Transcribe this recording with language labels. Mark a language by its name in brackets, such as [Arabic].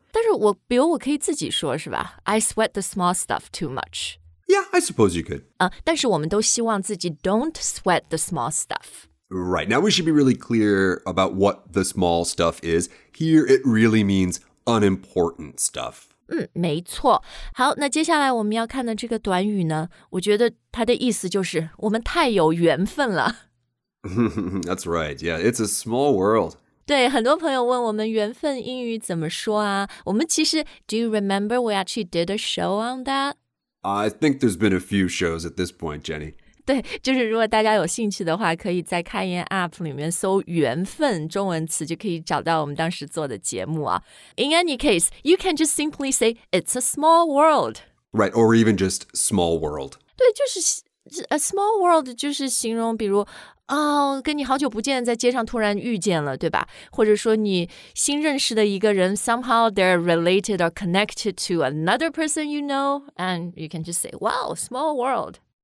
[Chinese] 但是我比如我可以自己说是吧 [English] I sweat the small stuff too much. Yeah, I suppose you could. [Chinese] 但是我们都希望自己 [English] don't sweat the small stuff. Right, now we should be really clear about what the small stuff is. Here it really means unimportant stuff. [Chinese] 没错。好，那接下来我们要看的这个短语呢，我觉得它的意思就是我们太有缘分了。 [English] That's right. Yeah, it's a small world. [Chinese] 对，很多朋友问我们缘分英语怎么说啊？我们其实 [English] ，Do you remember we actually did a show on that? I think there's been a few shows at this point, Jenny. [Chinese] 对，就是如果大家有兴趣的话，可以在开言 App 里面搜“缘分”中文词，就可以找到我们当时做的节目啊。 [English] In any case, you can just simply say it's a small world. Right, or even just small world. [Chinese] 对，就是 a small world 就是形容，比如。 [English] 哦、oh, [Chinese] 跟你好久不见在街上突然遇见了对吧或者说你新认识的一个人 [English] somehow they're related or connected to another person you know, and you can just say, wow, small world.